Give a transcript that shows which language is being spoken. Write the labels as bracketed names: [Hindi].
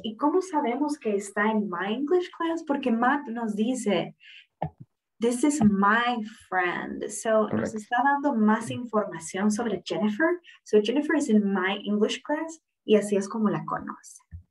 [Spanish] ¿Y cómo sabemos que está en [English] my English class? [Spanish] Porque Matt nos dice, [English] this is my friend. So correct. [Spanish] Nos está dando más información sobre Jennifer. [English] So Jennifer is in my English class [Spanish] y así es como la conoce.